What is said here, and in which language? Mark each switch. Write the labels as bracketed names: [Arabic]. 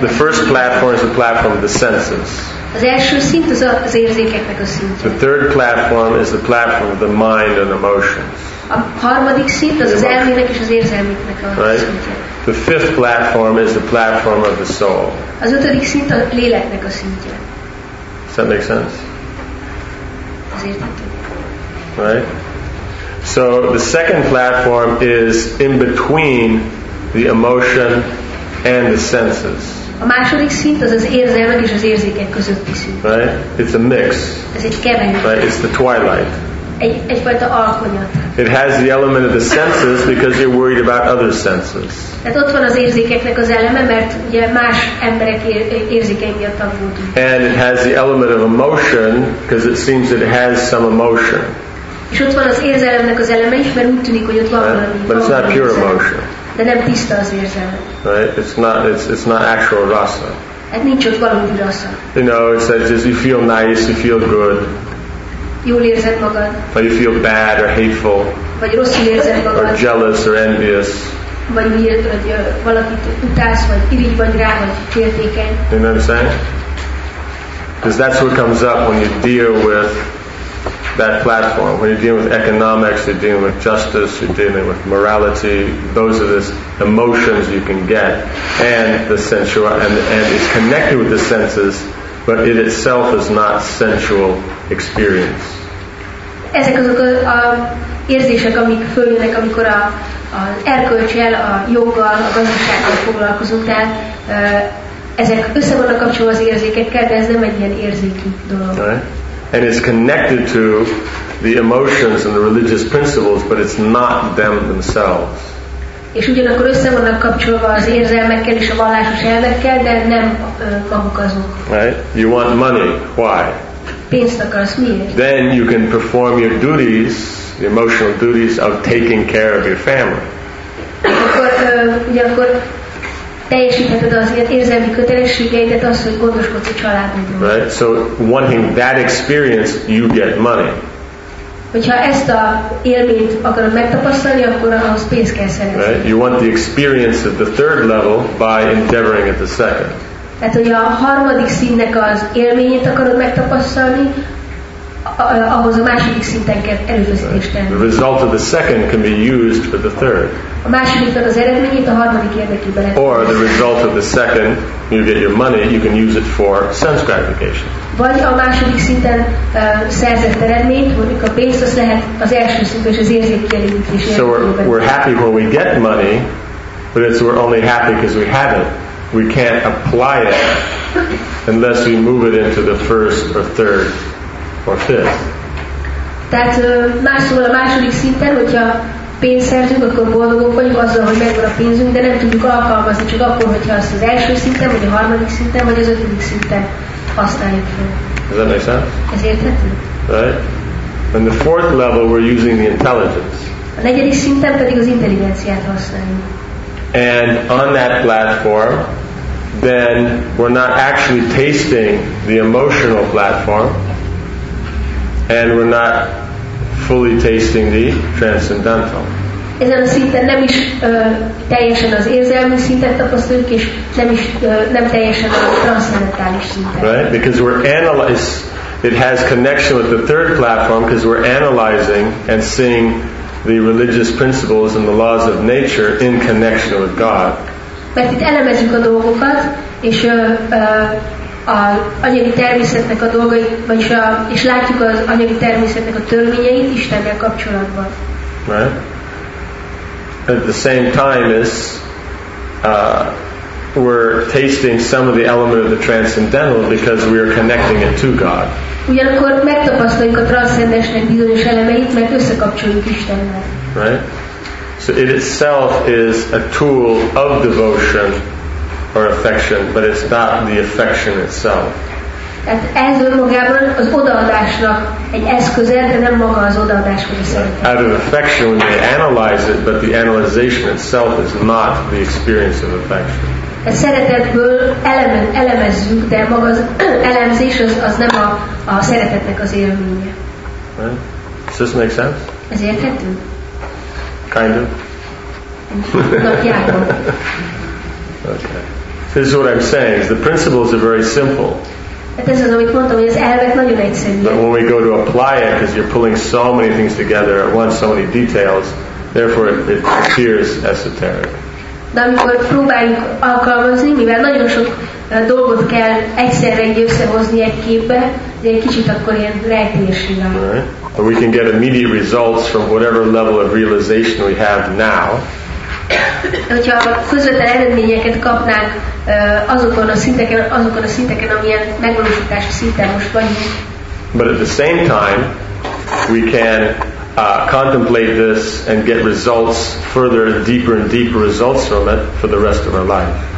[English] The first platform is the platform of the senses. [Hungarian] Az első szint az az érzékeknek a szintje. [English] The third platform is the platform of the mind and emotions. [Hungarian] A harmadik szint az az elmének és az érzelmeknek a [English] right? [Hungarian] szintje. [English] The fifth platform is the platform of the soul. [Hungarian] Az ötödik szint a léleknek a szintje. [English] Does that make sense? [Hungarian] Az érthető. [English] Right? So the second platform is in between the emotion and the senses. [Hungarian] A második szint az az érzelmek és az érzékek közötti szint. [English] Right? It's a mix. [Hungarian] Ez egy keverék. [English] Right? It's the twilight. [Hungarian] Egyfajta alkonyat. [English] It has the element of the senses because you're worried about other senses. [Hungarian] Tehát ott van az érzékeknek az eleme, mert ugye más emberek érzékei miatt aggódunk. [English] And it has the element of emotion because it seems it has some emotion. [Hungarian] És ott van az érzelemnek az eleme is, mert úgy tűnik, hogy ott van valami. [English] But it's not pure emotion. [Hungarian] De nem tiszta az érzelem. [English] Right? It's not actual rasa. [Hungarian] Hát nincs ott valami virasza. [English] You know, it says just you feel nice, you feel good. [Hungarian] Jól érzed magad. [English] But you feel bad or hateful. [Hungarian] Vagy rosszul érzed magad. [English] Or jealous or envious. [Hungarian] Vagy miért, hogy valakit utálsz, vagy irigy vagy rá, vagy féltékeny. [English] You know what I'm saying? Because that's what comes up when you deal with that platform. When you're dealing with economics, you're dealing with justice, you're dealing with morality. Those are the emotions you can get, and the sensual, and it's connected with the senses, but it itself is not sensual experience. [Hungarian] Ezek azok az érzések, amik följönnek, amikor az erkölcsel, a joggal, a gazdasággal foglalkozunk, tehát ezek össze vannak kapcsolva az érzékekkel, de ez nem egy ilyen érzéki dolog. [English] Right. And it's connected to the emotions and the religious principles, but it's not them themselves. [Hungarian] És ugyanakkor össze vannak kapcsolva az érzelmekkel és a vallásos elvekkel, de nem maguk azok. [English] Right? You want money. Why? [Hungarian] Pénzt akarsz. Miért? [English] Then you can perform your duties, the emotional duties of taking care of your family. [Hungarian] Akkor ugyanakkor teljesítheted az érzelmi kötelességeidet, az, hogy gondoskodsz a családodról. [English] Right? So wanting that experience, you get money. [Hungarian] Hogyha ezt a élményt akarod megtapasztalni, akkor ahhoz pénzt kell szerezni. [English] Right? You want the experience at the third level by endeavoring at the second. [Hungarian] Tehát, hogy a harmadik szintnek az élményét akarod megtapasztalni, ahhoz a második szinten kell erőfeszítést tenni. [English] The result of the second can be used for the third. [Hungarian] A másodiknak az eredményét a harmadik érdekében lehet. [English] Or the result of the second, you get your money, you can use it for sense gratification. [Hungarian] Vagy a második szinten szerzett eredményt, mondjuk a pénzt, az lehet az első szinten és az érzékkielégítés. [English] So we're happy when we get money, but it's we're only happy because we have it. We can't apply it unless we move it into the first or third or fifth. [Hungarian] Tehát más szóval a második szinten, hogyha pénzt szerzünk, akkor boldogok vagyunk azzal, hogy megvan a pénzünk, de nem tudjuk alkalmazni, csak akkor, hogyha azt az első szinten, vagy a harmadik szinten, vagy az ötödik szinten használjuk fel. [English] Does that make sense? [Hungarian] Ez érthető? [English] Right. And the fourth level, we're using the intelligence. [Hungarian] A negyedik szinten pedig az intelligenciát használjuk. [English] And on that platform, then we're not actually tasting the emotional platform, and we're not fully tasting the transcendental. [Hungarian] Ezen a szinten nem is teljesen az érzelmi szintet tapasztaljuk, és nem is nem teljesen a transzendentális szintet. [English] Right, because we're analyze. It has connection with the third platform because we're analyzing and seeing the religious principles and the laws of nature in connection with God. [Hungarian] Mert itt elemezzük a dolgokat, és a anyagi természetnek a dolgait, vagyis a, és látjuk az anyagi természetnek a törvényeit Istennel kapcsolatban. [English] Right. At the same time is we're tasting some of the element of the transcendental because we are connecting it to God. [Hungarian] Ugyanakkor megtapasztaljuk a transzcendensnek bizonyos elemeit, mert összekapcsoljuk Istennel. [English] Right? So it itself is a tool of devotion or affection, but it's not the affection itself. [Hungarian] Tehát ez önmagában az odaadásnak egy eszköze, de nem maga az odaadás, hogy a szeretet. [English] Out of affection we may analyze it, but the analyzation itself is not the experience of affection. [Hungarian] A szeretetből elemezzük, de maga az elemzés az nem a szeretetnek az élménye. [English] Does this make sense? [Hungarian] Ez érthető? [English] Kind of. [Hungarian] Nagyjából. [English] Okay. This is what I'm saying. The principles are very simple. [Hungarian] Hát ez az, amit mondtam, hogy az elvek nagyon egyszerűek. [English] But when we go to apply it, because you're pulling so many things together at once, so many details, therefore it appears esoteric. [Hungarian] De amikor próbáljuk alkalmazni, mivel nagyon sok dolgot kell egyszerre így összehozni egy képbe, de egy kicsit akkor ilyen rejtélyesen. [English] Right. But we can get immediate results from whatever level of realization we have now. [Hungarian] Hogyha közvetlen eredményeket kapnánk azokon a szinteken, amilyen megvalósítási szinten most vagyunk. [English] But at the same time, we can contemplate this and get results further, deeper and deeper results from it for the rest of our life.